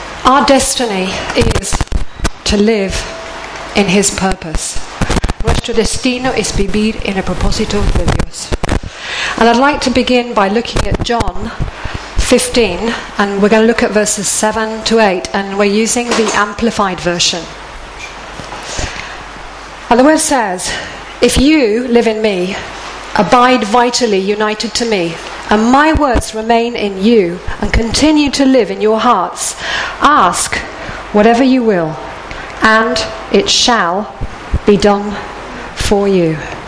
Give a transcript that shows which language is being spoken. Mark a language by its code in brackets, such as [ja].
[en] Our destiny is to live in His purpose. [es] Nuestro destino es vivir en el propósito de Dios. [en] And I'd like to begin by looking at John 15, and we're going to look at verses 7 to 8, and we're using the Amplified version. And the word says, "If you live in me, abide vitally united to me, and my words remain in you and continue to live in your hearts, ask whatever you will, and it shall be done for you."